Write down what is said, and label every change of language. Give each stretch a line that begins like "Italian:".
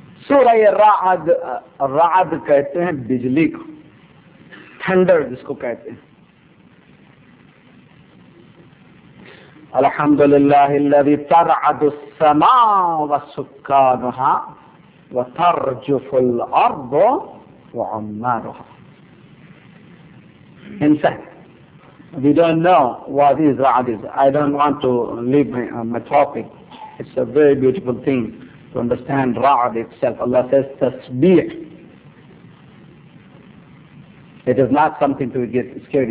Urdu: رعد رعد کہتے ہیں بجلی کو, تھنڈر جس کو کہتے ہیں.
Arabic: الحمدللہ الذی ترعد السماء وسکانها وترجف الارض وعمارها.
English: In fact, we don't know what is رعد is. I don't want to leave my topic. It's a very beautiful thing to understand Ra'ad itself. Allah says tasbih. It is not something to get scared.